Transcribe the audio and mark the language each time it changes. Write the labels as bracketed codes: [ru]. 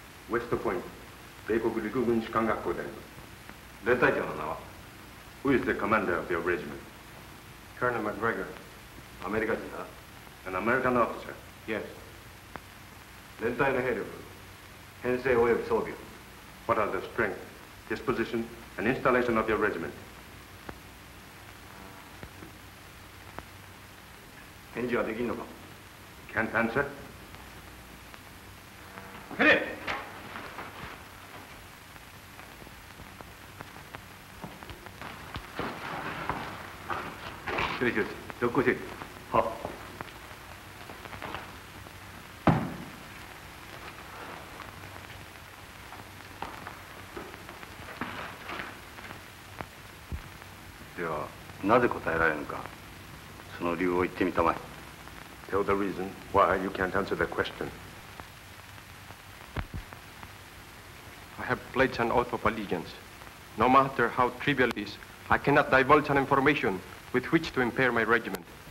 [ja] West Point, 米国陸軍士官学校であります。連隊長の名は? [en] Who is the commander of your regiment? Colonel McGregor. [ja] アメリカ人だ? [en] An American officer? Yes. [ja] 連隊の兵力、編成及び装備。 [en] What are the strength, disposition, and installation of your regiment? [ja] 返事はできんのか? [en] Can't answer? Hit it! Thank you. [ja] よしよし、どっこい。なぜ答えられるのか、その理由を言ってみたまえ。 [en] Tell the reason why you can't answer that question. I have pledged an oath of allegiance. No matter how trivial it is, I cannot divulge an information with which to impair my regiment.